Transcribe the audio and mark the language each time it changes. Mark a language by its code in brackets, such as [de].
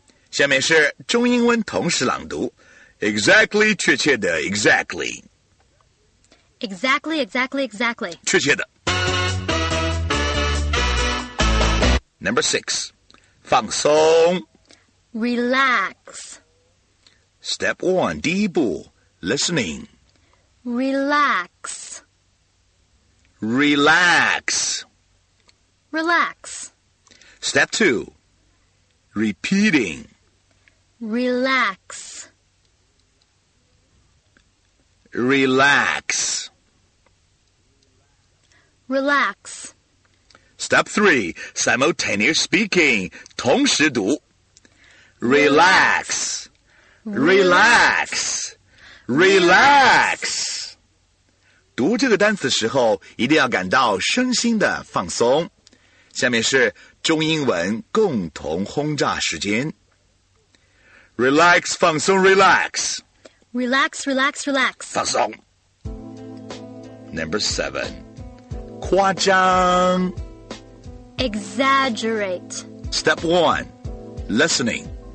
[zh] 下面是中英文同时朗读。 [en] Exactly, [zh] 确切的 [en] exactly. Exactly, exactly, exactly. [zh] 确切的。 [en] Number six, [zh] 放松。 [en] Relax. Step one, [zh] 第一步 [en] listening. Relax. Relax. Relax. Step two, repeating. Relax. Relax. Relax. Step three, simultaneous speaking, [zh] 同时读。 [en] Relax. Relax. Relax. [zh] 读这个单词时候一定要感到身心的放松。下面是中英文共同轰炸时间。 [en] Relax, [zh] 放松 [en] relax. Relax, relax, relax. [zh] 放松。 [en] Number seven, [zh] 夸张。 [en] Exaggerate. Step one, listening.